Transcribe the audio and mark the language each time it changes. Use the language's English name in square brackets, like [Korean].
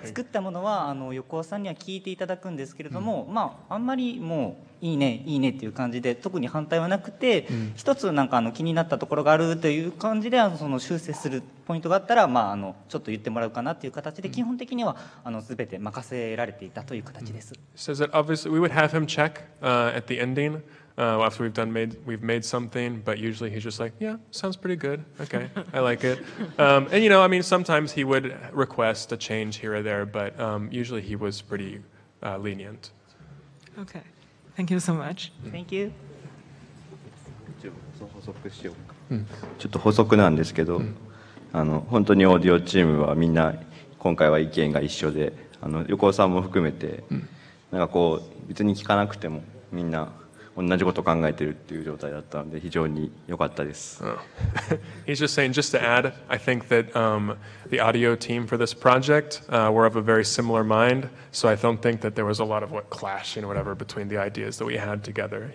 [Japanese] 作ったものはあの横尾さんには聞いていただくんですけれども、まああんまりもういいねいいねっていう感じで特に反対はなくて、一つなんかあの気になったところがあるという感じであのその修正するポイントがあったらまああのちょっと言ってもらうかなという形で基本的にはあのすべて任せられていたという形です。 [English] Says that obviously we would have him check at the ending after we've made something, but usually he's just like, yeah, sounds pretty good. Okay, I like it. And you know, I mean, sometimes he would request a change here or there, but usually he was pretty lenient. Okay. Thank you so much. Thank you. [Japanese] 補足しようか。ちょっと補足なんですけど、あの本当にオーディオチームはみんな今回は意見が一緒で、あの横尾さんも含めて、なんかこう別に聞かなくてもみんな同じことを考えてるっていう状態だったので非常に良かったです。 [English] He's just saying, just to add, I think that the audio team for this project were of a very similar mind, so I don't think that there was a lot of what clashing or whatever between the ideas that we had together.